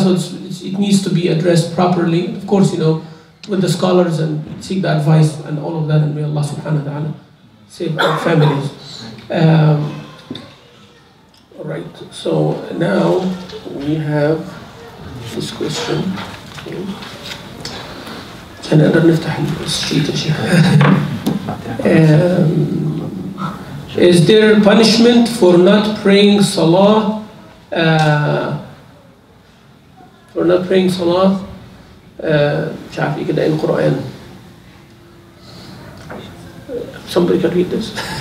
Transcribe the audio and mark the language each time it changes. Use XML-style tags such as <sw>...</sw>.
<en>So it needs to be addressed properly, of course, you know, with the scholars and seek the advice and all of that, and may Allah subhanahu wa ta'ala save our families. All right, so now we have this question. Can I</en> <ar>نفتح الشريط يا شيخ.</ar> <en>Is there punishment for not praying salah? For not praying salah?</en> <ar>شاف يقدر يقرأ القرآن.</ar> <en>Somebody can read this.</en>